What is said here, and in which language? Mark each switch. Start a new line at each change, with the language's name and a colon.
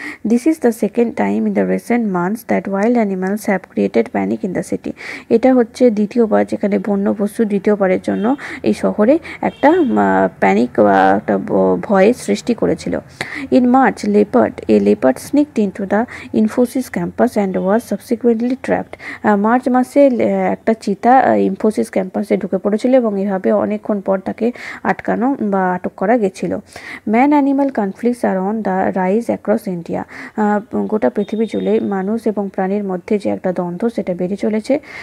English: This is the second time in the recent months that wild animals have created panic in the city.
Bangla: এটা হচ্ছে দ্বিতীয়বার যেখানে বন্য পশু দ্বিতীয়বারের জন্য এই শহরে একটা প্যানিক বা একটা ভয় সৃষ্টি করেছিল।
English: In March, a leopard sneaked into the Infosys campus and was subsequently trapped.
Bangla: March মাসে একটা চিতা ইনফোসিস ক্যাম্পাসে ঢুকে পড়েছিল এবং এভাবে অনেকক্ষণ পর তাকে আটকানো বা আটক করা গেছিল।
English: Man animal conflicts are on the rise across
Bangla: India, গোটা পৃথিবী জুড়ে মানুষ এবং প্রাণীর মধ্যে যে একটা দ্বন্দ্ব সেটা বেড়ে চলেছে।